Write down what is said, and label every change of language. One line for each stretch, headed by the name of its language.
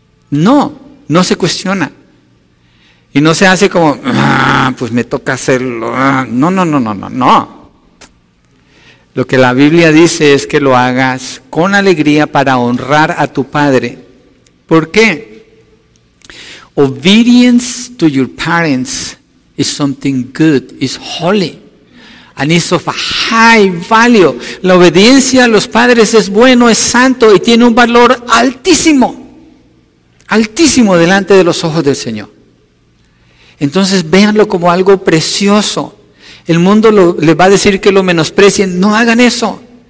Spanish: No, no se cuestiona. Y no se hace como, pues me toca hacerlo. No, no, no, no, no, no. Lo que la Biblia dice es que lo hagas con alegría para honrar a tu padre. ¿Por qué?
English: Obedience to your parents is something good, is holy, and is of a high value.
Spanish: La obediencia a los padres es bueno, es santo y tiene un valor altísimo, altísimo delante de los ojos del Señor. Entonces véanlo como algo precioso. El mundo les va a decir que lo menosprecien. No hagan eso.